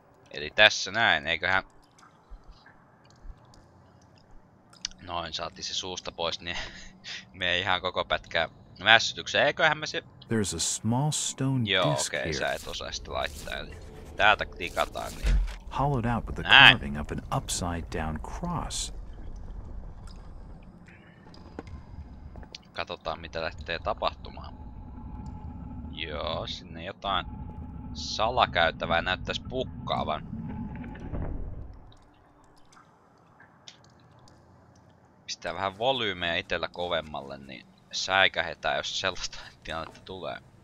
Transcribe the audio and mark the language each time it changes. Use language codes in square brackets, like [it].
[fi] Eli tässä näin, eiköhän. Noin, saatiin se suusta pois, niin me ei ihan koko pätkää mässytykseen, eiköhän me se. [en] There's a small stone disc. [fi] Joo, okei, sä et osaa sitä laittaa, eli täältä klikataan, niin. [en] Hollowed out with the carving of an upside down cross. [fi] Katsotaan, mitä lähtee tapahtumaan. Joo, sinne jotain salakäytävää näyttäisi pukkaavan. Pistää vähän volyymeä itellä kovemmalle, niin säikähetään, jos sellaista tilannetta tulee.